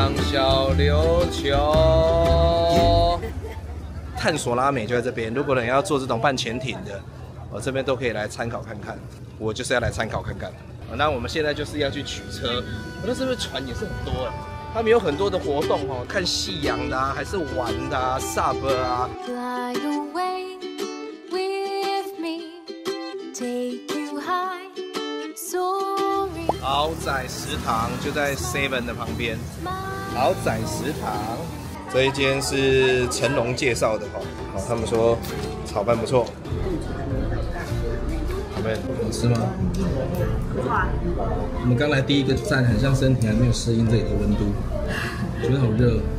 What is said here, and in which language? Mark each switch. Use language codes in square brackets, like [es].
[zh] 小琉球，探索拉美就在这边。如果你要做这种半潜艇的，我这边都可以来参考看看。我就是要来参考看看。那我们现在就是要去取车。那是不是船也是很多的？他们有很多的活动哦，看夕阳的啊，还是玩的啊 ，sub 啊。 [en] Fly away with me, take you high, soaring. [zh] 豪宅食堂就在 Seven 的旁边。豪宅食堂，这一间是成龙介绍的哈，好，他们说炒饭不错。好，没好吃吗？好啊。我们刚来第一个站，很像身体还没有适应这里的温度，觉得好热。